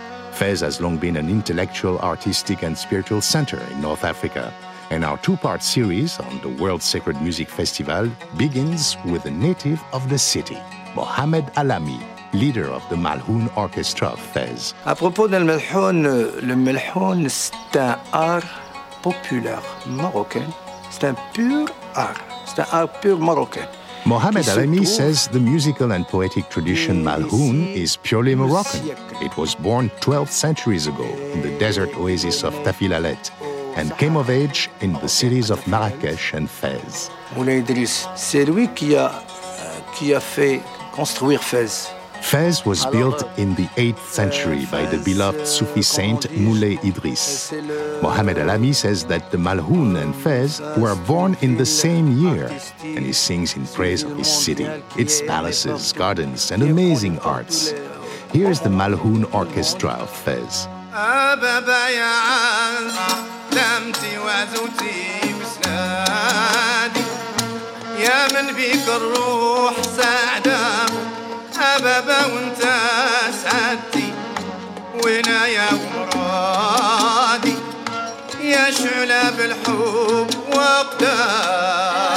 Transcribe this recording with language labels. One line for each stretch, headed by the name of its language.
English: Fes has long been an intellectual, artistic, and spiritual center in North Africa. And our two-part series on the World Sacred Music Festival begins with a native of the city, Mohamed Alami, leader of the Malhoun Orchestra of Fez.
French: À propos du Malhoun, le Malhoun, c'est un art populaire marocain. C'est un pur art. C'est un art pur marocain.
English: Mohamed Alami says the musical and poetic tradition Malhoun is purely Moroccan. It was born 12 centuries ago in the desert oasis of Tafilalet, and came of age in the cities of Marrakech and Fez.
French: Moulay Idriss, c'est lui qui a fait construire Fez.
English: Fez was built in the 8th century by the beloved Sufi saint Moulay Idriss. Mohamed Alami says that the Malhoun and Fez were born in the same year, and he sings in praise of his city, its palaces, gardens, and amazing arts. Here's the Malhoun Orchestra of Fez.
Arabic: دمتي وزوتي وسنادي يا من بيك الروح سعدة أبابا وانت سعدتي وانا يا مرادي يا شعلة بالحب وقدام